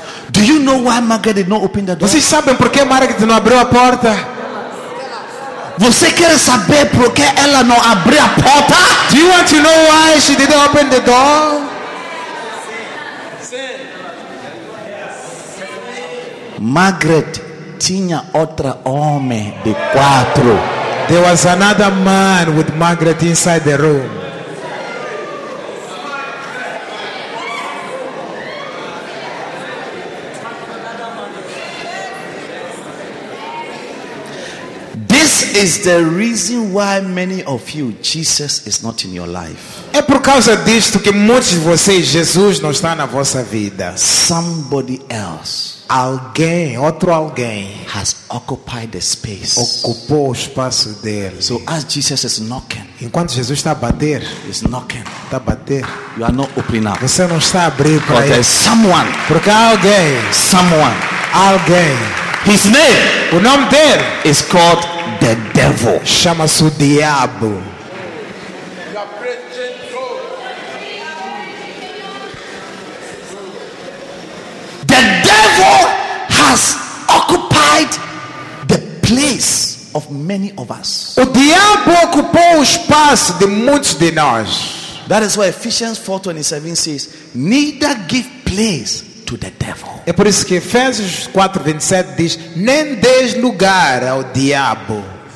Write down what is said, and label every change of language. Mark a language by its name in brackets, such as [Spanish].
[English] Do you know why Margaret did not open the door? [Portuguese] Vocês sabem por que Margaret não abriu a porta? Você quer saber por que ela não abriu a porta? [English] Do you want to know why she didn't open the door? [Portuguese] Margaret tinha outra homem de quatro. [English] There was another man with Margaret inside the room. This is the reason why many of you, Jesus is not in your life. [Portuguese] É por causa disto que muitos de vocês, Jesus não está na vossa vida. [English] Somebody else. [Portuguese] Alguém, outro alguém, [English] has occupied the space. [Portuguese] Ocupou o espaço dele. [English] So as Jesus is knocking, [Portuguese] enquanto Jesus está a bater, [English] is knocking, [Portuguese] está a bater, [English] you are not opening up. [Portuguese] Você não está a abrir para ele. [English] Because someone, [Portuguese] porque alguém, [English] someone, [Portuguese] alguém, [English] his name, [Portuguese] o nome dele, [English] is called the devil. [Portuguese] Chama-se o diabo. [English] Has occupied the place of many of us. [Portuguese] O diabo ocupou o espaço de muitos de nós. [English] That is why Ephesians 4:27 says, neither give place to the devil. [Portuguese] É por isso que Efésios 4:27 diz, nem deis lugar ao diabo.